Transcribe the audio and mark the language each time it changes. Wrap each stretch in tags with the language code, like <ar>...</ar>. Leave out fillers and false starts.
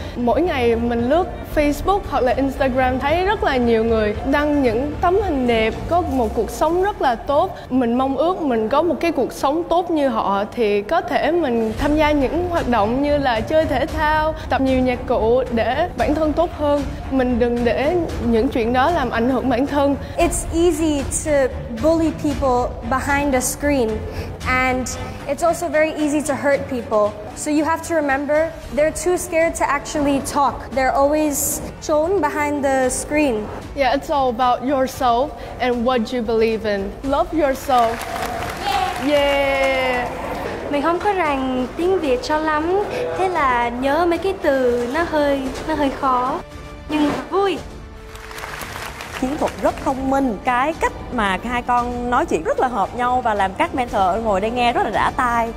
<vi>Mỗi ngày mình lướt Facebook hoặc là Instagram thấy rất là nhiều người đăng những tấm hình đẹp, có một cuộc sống rất là tốt. Mình mong ước mình có một cái cuộc sống tốt như họ, thì có thể mình tham gia những hoạt động như là chơi thể thao, tập nhiều nhạc cụ để bản thân tốt hơn. Mình đừng để những chuyện đó làm ảnh hưởng bản thân.</vi> <en>It's easy to bully people behind a screen, and it's also very easy to hurt people. So you have to remember, they're too scared to actually talk. They're always shown behind the screen. Yeah, it's all about yourself and what you believe in. Love yourself. Yeah.</en> <vi>Mình không có rành tiếng Việt cho lắm, thế là nhớ mấy cái từ nó hơi khó, nhưng vui. Chiến thuật rất thông minh, cái cách mà hai con nói chuyện rất là hợp nhau và làm các mentor ngồi đây nghe rất là đã tai.</vi>